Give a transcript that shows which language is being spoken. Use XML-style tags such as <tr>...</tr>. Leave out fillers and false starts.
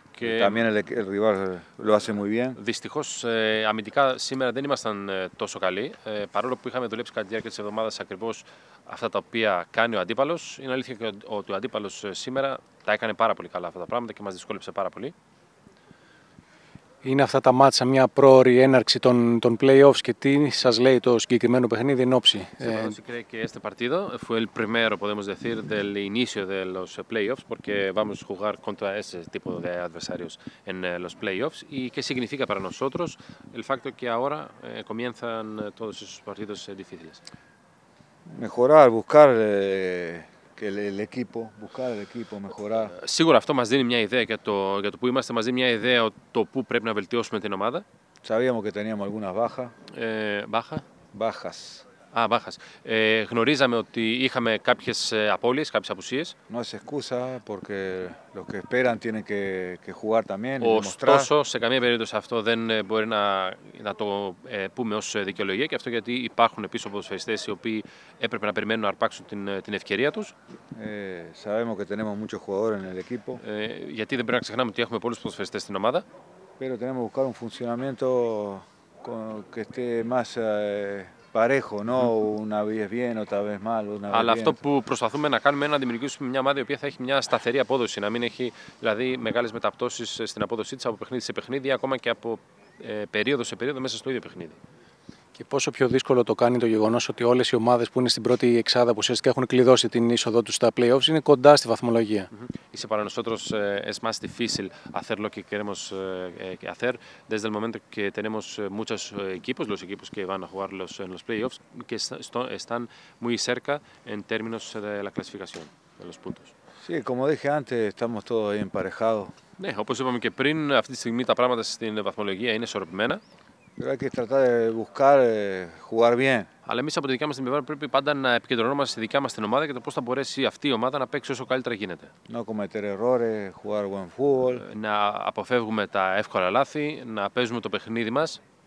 <es>Και también el rival lo hace muy bien.</es> <el>Δυστυχώς αμυντικά σήμερα δεν ήμασταν τόσο καλοί. Παρόλο που είχαμε δουλέψει κατά τη διάρκεια της εβδομάδας ακριβώς αυτά τα οποία κάνει ο αντίπαλος, είναι αλήθεια και ότι ο αντίπαλος σήμερα τα έκανε πάρα πολύ καλά αυτά τα πράγματα και μας δυσκόλεψε πάρα πολύ. Είναι αυτά τα μάτσα μια πρόωρη έναρξη των play-offs και τι σας λέει το συγκεκριμένο παιχνίδι εν όψη.</el> <es>Creo que este partido fue el primero, podemos decir, del inicio de los play-offs, porque vamos a jugar contra ese tipo de adversarios en los play-offs. ¿Y qué significa para nosotros el facto que ahora comienzan todos esos partidos difíciles? Mejorar, buscar... El equipo, mejorar.</es> <el>Σίγουρα αυτό μας δίνει μια ιδέα για το που είμαστε, μας δίνει μια ιδέα το που πρέπει να βελτιώσουμε την ομάδα.</el> <es>Sabíamos que teníamos algunas bajas. Bajas. Bajas.</es> <el>Γνωρίζαμε ότι είχαμε κάποιες απώλειες, κάποιες απουσίες.</el> <es>No es excusa, porque los que esperan tienen que jugar también.</es> <el>Ωστόσο, σε καμία περίπτωση αυτό δεν μπορεί να το πούμε ως δικαιολογία, και αυτό γιατί υπάρχουν πίσω ποδοσφαιριστές οι οποίοι έπρεπε να περιμένουν να αρπάξουν την ευκαιρία τους.</el> <es>Sabemos que tenemos muchos jugadores en el equipo.</es> <el>Γιατί δεν πρέπει να ξεχνάμε ότι έχουμε πολλούς ποδοσφαιριστές στην ομάδα.</el> <es>Pero tenemos que buscar un funcionamiento que esté más... Παρέχω, να βγει bien, otra vez mal.</es> <el>Αλλά αυτό που προσπαθούμε να κάνουμε είναι να δημιουργήσουμε μια ομάδα η οποία θα έχει μια σταθερή απόδοση. Να μην έχει δηλαδή μεγάλες μεταπτώσεις στην απόδοσή της από παιχνίδι σε παιχνίδι ή ακόμα και από περίοδο σε περίοδο μέσα στο ίδιο παιχνίδι. Και πόσο πιο δύσκολο το κάνει το γεγονός ότι όλες οι ομάδες που είναι στην πρώτη εξάδα που ουσιαστικά έχουν κλειδώσει την είσοδό τους στα playoffs είναι κοντά στη βαθμολογία.</el> <es>Είσαι para nosotros es más difícil hacer lo que queremos hacer desde el momento que tenemos muchos equipos, los equipos que van a jugar en los playoffs, que están muy cerca en términos de la clasificación, de los puntos. Sí, como dije antes, estamos todos ahí emparejados.</es> <el>Ναι, όπως είπαμε και πριν, αυτή τη στιγμή τα πράγματα στην βαθμολογία είναι ισορροπημένα.</el> <es>Pero hay que tratar de buscar jugar bien.</es> <el>Αλλά εμείς από τη δικιά μας την πλευρά πρέπει πάντα να επικεντρωνόμαστε στη δικιά μας την ομάδα και το πώς θα μπορέσει αυτή η ομάδα να παίξει όσο καλύτερα γίνεται.</el> <es>No cometer errores, jugar buen fútbol.</es> <el>Να αποφεύγουμε τα εύκολα λάθη, να παίζουμε το παιχνίδι μας.</el>